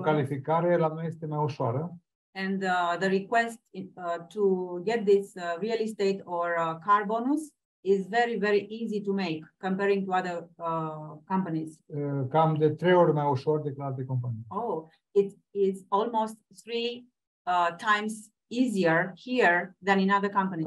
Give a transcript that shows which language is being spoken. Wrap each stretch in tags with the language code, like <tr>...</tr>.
<ro>calificare la noi este mai ușoară.</ro> <en>And the request to get this real estate or car bonus is very, very easy to make comparing to other companies.</en> <ro>Cam de trei ori mai ușor decât alte companii.</ro> <en>Oh, it is almost three times easier here than in other companies.</en>